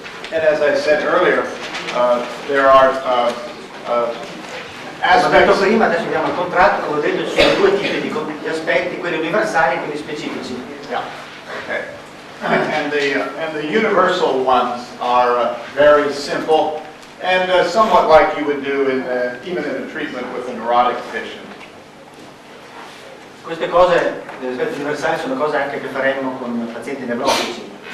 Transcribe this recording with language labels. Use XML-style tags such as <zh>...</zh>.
<en>And as I said earlier, there are aspects.</en> <it>Prima, adesso vediamo il contratto, come ho detto, ci sono due tipi di aspetti, quelli universali e quelli specifici.</it> <en>Yeah. Okay. And the universal ones are very simple and somewhat like you would do in even in a treatment with a neurotic patient.</en> <it>Queste cose, gli aspetti universali, sono cose anche che faremmo con pazienti nevrotici.</it>